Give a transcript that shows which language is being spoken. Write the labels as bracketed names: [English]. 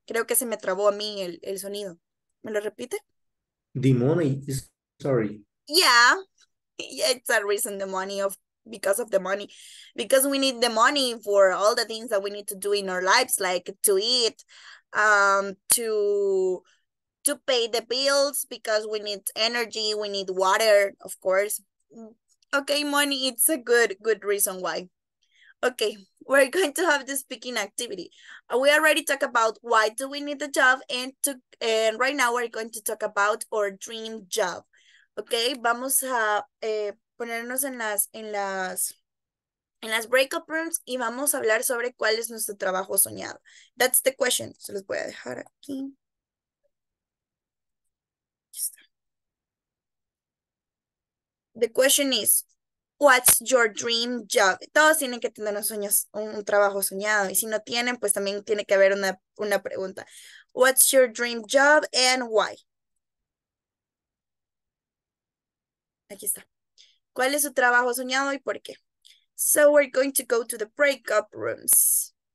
[Spanish] Creo que se me trabó a mí el sonido. ¿Me lo repite? [English] The money is sorry. Yeah, it's a reason, the money, of because of the money. Because we need the money for all the things that we need to do in our lives, like to eat, to pay the bills, because we need energy, we need water, of course. Okay, money, it's a good reason why. Okay, we're going to have the speaking activity. We already talked about why do we need a job, and right now we're going to talk about our dream job. [Spanish] Okay, vamos a ponernos en las breakout rooms y vamos a hablar sobre cuál es nuestro trabajo soñado. [English] That's the question. [Spanish] Se los voy a dejar aquí. [English] The question is, what's your dream job? [Spanish] Todos tienen que tener un trabajo soñado. Y si no tienen, pues también tiene que haber una pregunta. [English] What's your dream job and why? [Spanish] Aquí está. ¿Cuál es su trabajo soñado y por qué? [English] So we're going to go to the breakout rooms.